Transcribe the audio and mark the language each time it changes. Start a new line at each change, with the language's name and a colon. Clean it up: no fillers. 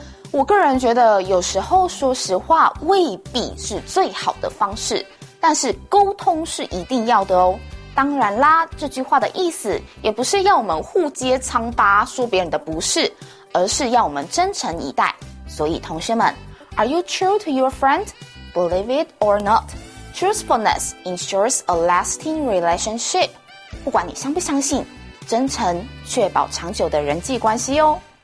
Chinese: 我个人觉得有时候说实话未必是最好的方式，但是沟通是一定要的哦。当然啦，这句话的意思也不是要我们互揭疮疤说别人的不是，而是要我们真诚以待。所以同学们，
English: Are you true to your friend? Believe it or not, truthfulness ensures a lasting relationship.
Chinese: 不管你相不相信，真诚确保长久的人际关系哦。